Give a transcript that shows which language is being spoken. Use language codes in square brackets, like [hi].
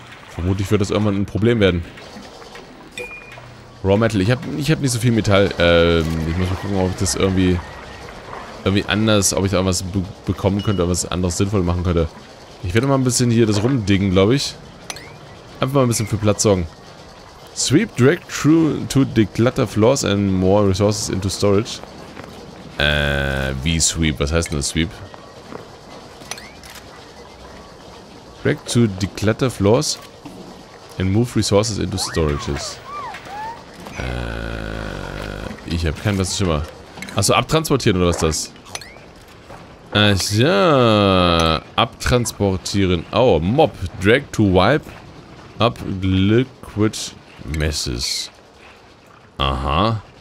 [de] Vermutlich wird das irgendwann ein Problem werden. Raw Metal. Ich hab nicht so viel Metall. Ich muss mal gucken, ob ich das irgendwie anders, ob ich da irgendwas bekommen könnte, ob was anderes sinnvoll machen könnte. Ich werde mal ein bisschen hier das rumdiggen, glaube ich. Einfach mal ein bisschen für Platz sorgen. [en] Sweep direct through to declutter floors and more resources into storage. [de] Wie sweep? Was heißt denn das sweep? [en] Direct to declutter floors and move resources into storages. [de] Ich habe keinen, was ist immer. Achso, abtransportieren oder was ist das? Ach ja. Abtransportieren. Oh, Mob. [en] Drag to wipe up liquid. Messes. Aha.